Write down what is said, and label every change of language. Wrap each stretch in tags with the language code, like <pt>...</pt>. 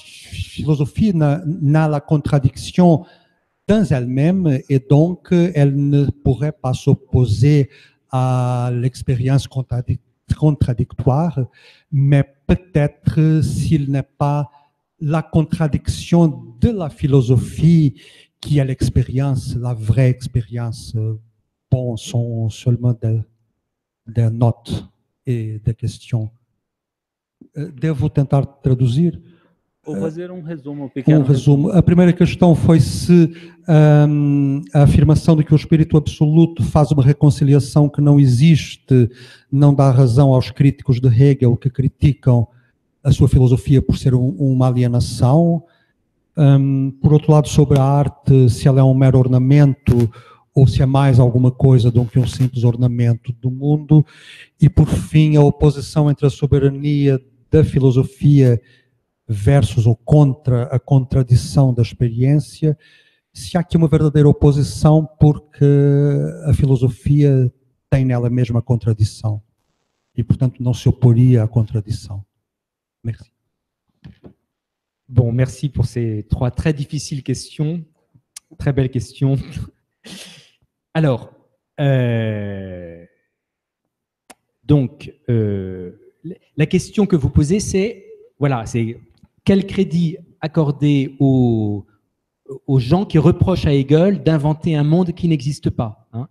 <fr>philosophie n'a la contradiction dans elle-même et donc elle ne pourrait pas s'opposer à l'expérience contradictoire, mais peut-être s'il n'est pas la contradiction de la philosophie qui est l'expérience, la vraie expérience, bon, sont seulement des notes et des questions.</fr> <pt>Devo tentar traduzir? Vou fazer um resumo pequeno. Um resumo. A primeira questão foi se a afirmação de que o Espírito Absoluto faz uma reconciliação que não existe, não dá razão aos críticos de Hegel que criticam a sua filosofia por ser uma alienação. Por outro lado, sobre a arte, se ela é um mero ornamento ou se é mais alguma coisa do que um simples ornamento do mundo. E, por fim, a oposição entre a soberania da filosofia versus ou contra a contradição da experiência, se há aqui uma verdadeira oposição porque a filosofia tem nela mesma contradição e, portanto, não se oporia à contradição.</pt> <fr>Merci. Bom, merci por ces trois très difficiles questions. Très belle question. Alors, la question que vous posez, c'est, voilà, c'est quel crédit accorder aux gens qui reprochent à Hegel d'inventer un monde qui n'existe pas, hein?</fr>